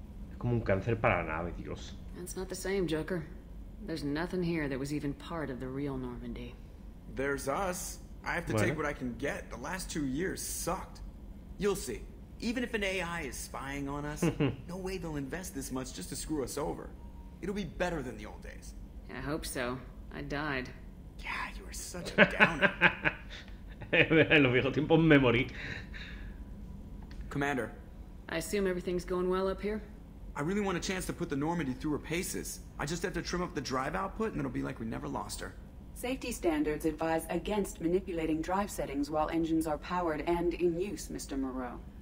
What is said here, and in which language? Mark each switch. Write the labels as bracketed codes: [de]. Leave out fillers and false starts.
[es] Es como un cáncer para la nave, Dios. [en] That's not the same, Joker. There's nothing here that was even part of the real Normandy. There's us. I have to take what I can get. The last 2 years sucked. You'll see. Even if an AI is spying on us, no way they'll invest this much just to screw us over. It'll be better than the old days. I hope so. I died. Yeah, you were such a downer. [es] En los viejos tiempos me morí. [en] Commander. I assume everything's going well up here? I really want a chance to put the Normandy through her paces. I just have to trim up the drive output and it'll be like we never lost her. Safety standards advise against manipulating drive settings while engines are powered and in use, Mr. Moreau.